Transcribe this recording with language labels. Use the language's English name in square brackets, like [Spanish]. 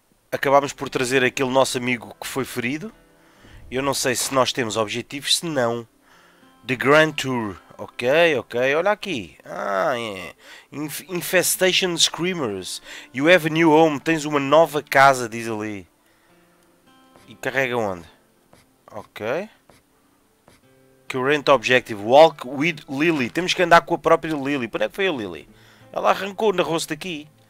[Portuguese] Acabámos por trazer aquele nosso amigo que foi ferido. Eu não sei se nós temos objetivos, se não. The Grand Tour. Ok, ok. Olha aqui. Ah, é. [English] Infestation Screamers. You have a new home. [Portuguese] Tens uma nova casa, diz ali. E carrega onde? Ok. [English] Current objective, walk with Lily. [Portuguese] Temos que andar com a própria Lily. Para onde é que foi a Lily? Ela arrancou na rosto daqui.